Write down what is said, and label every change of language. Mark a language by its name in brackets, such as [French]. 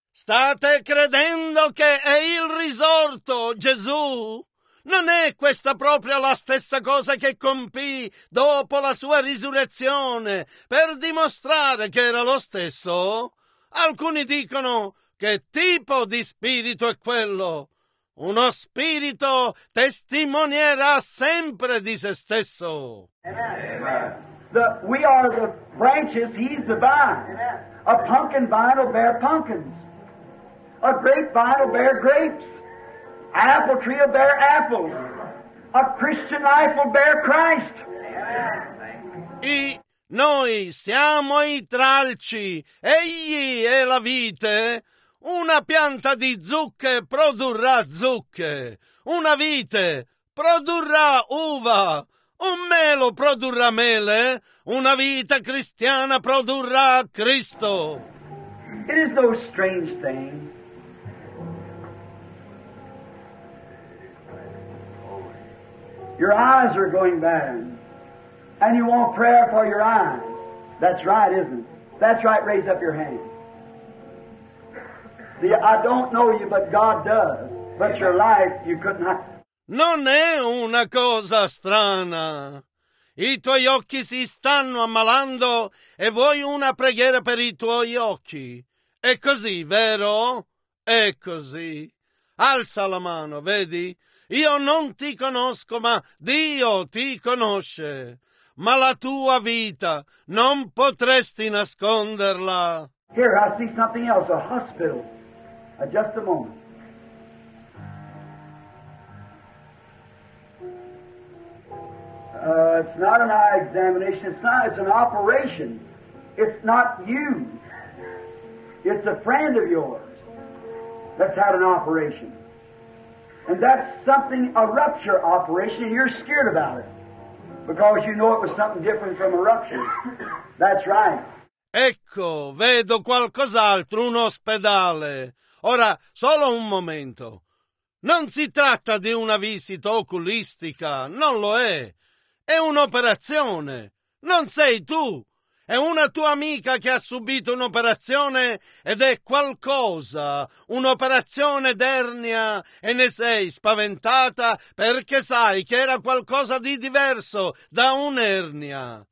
[Italian] State credendo che è il risorto, Gesù? Non è questa proprio la stessa cosa che compì dopo la sua risurrezione per dimostrare che era lo stesso? Alcuni dicono, che tipo di spirito è quello? Uno spirito testimonierà sempre di se stesso. [English] Amen. We are the branches, he's the vine. Amen. A pumpkin vine will bear pumpkins. A grapevine will bear grapes. An apple tree will bear apples. A Christian life will bear Christ. [Italian] Noi siamo i tralci, egli è la vite. Una pianta di zucche produrrà zucche, una vite produrrà uva, un melo produrrà mele, una vita cristiana produrrà Cristo. [English] It is no strange thing your eyes are going bad. And you want prayer for your eyes. That's right, isn't it? That's right, raise up your hand. See, I don't know you, but God does. But your life, you could not. [Italian] Non è una cosa strana. I tuoi occhi si stanno ammalando e vuoi una preghiera per i tuoi occhi. È così, vero? È così. Alza la mano, vedi? Io non ti conosco, ma Dio ti conosce. Ma la tua vita non potresti nasconderla. [English] Here, I see something else, a hospital. Just a moment. It's not an eye examination, it's an operation. It's not you. It's a friend of yours that's had an operation. And that's something, a rupture operation, and you're scared about it. Because you know it was something different from a rupture. That's right. [Italian] Ecco, vedo qualcos'altro, un ospedale. Ora, solo un momento. Non si tratta di una visita oculistica, non lo è. È un'operazione. Non sei tu. È una tua amica che ha subito un'operazione ed è qualcosa, un'operazione d'ernia, e ne sei spaventata perché sai che era qualcosa di diverso da un'ernia.